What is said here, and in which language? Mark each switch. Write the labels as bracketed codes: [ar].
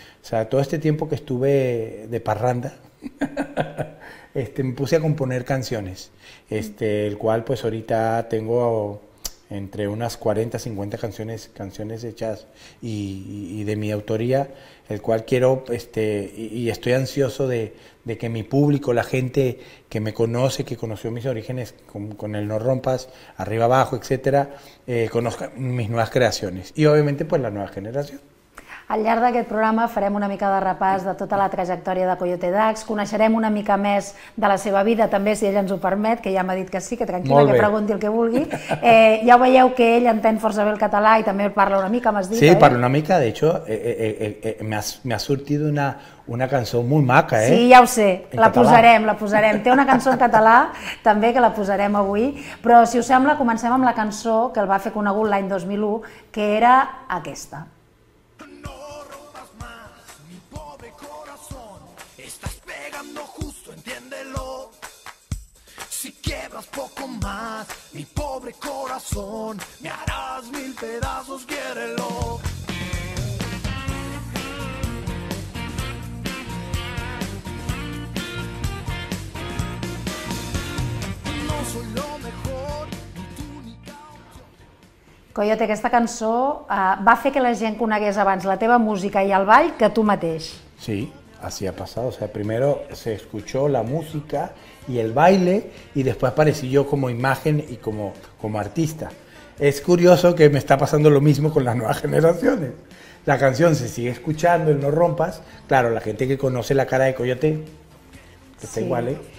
[es] O sea, todo este tiempo que estuve de parranda me puse a componer canciones, el cual pues ahorita tengo entre unas 40, 50 canciones hechas y de mi autoría, el cual quiero, y estoy ansioso de que mi público, la gente que me conoce, que conoció mis orígenes con el No Rompas, Arriba Abajo, etcétera, conozca mis nuevas creaciones y obviamente pues la nueva generación. [ca] Al llarg d'aquest programa farem una mica de repàs de tota la trajectòria de Coyote Dax, coneixerem una mica més de la seva vida també, si ell ens ho permet, que ja m'ha dit que sí, que tranquil·la, que pregunti el que vulgui. Ja ho veieu que ell entén força bé el català i també parla una mica, m'has dit. Sí, parlo una mica, [es] de hecho, [ca] me ha sortit una cançó molt maca, eh? Sí, ja ho sé, la posarem. Té una cançó en català, també, que la posarem avui, però si us sembla, comencem amb la cançó que el va fer conegut l'any 2001, que era aquesta. [es] Mi pobre corazón, me harás mil pedazos, quiérelo. No soy lo mejor, ni tú ni caución. [ca] Coyote, aquesta cançó va fer que la gent conegués abans la teva música i el ball que tu mateix. [es] Sí. Así ha pasado, o sea, primero se escuchó la música y el baile y después aparecí yo como imagen y como artista. Es curioso que me está pasando lo mismo con las nuevas generaciones. La canción se sigue escuchando, el No Rompas, claro, la gente que conoce la cara de Coyote, está igual, ¿eh?